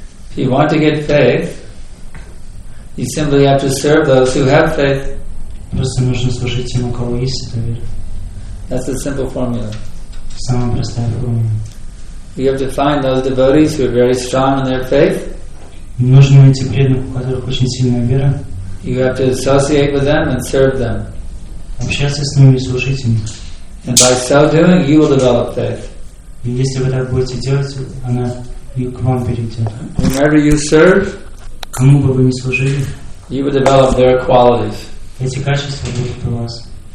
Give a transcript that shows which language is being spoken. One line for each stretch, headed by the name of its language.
English: If you want to get faith, you simply have to serve those who have faith.
Russian: Просто нужно служить тем, у кого есть эта вера.
English: That's a simple formula.
Russian: Самая простая формула.
English: You have to find those devotees who are very strong in their faith.
Russian: Нужно найти преданных, у которых очень сильная вера.
English: You have to associate with them and serve them.
Russian: Общаться с ними и служить им.
English: And by so doing, you will develop faith.
Russian: И если вы так будете делать, она к вам перейдет.
English: Whomever you serve,
Russian: кому бы вы ни служили,
English: you will develop their qualities.
Russian: Эти качества будут у вас.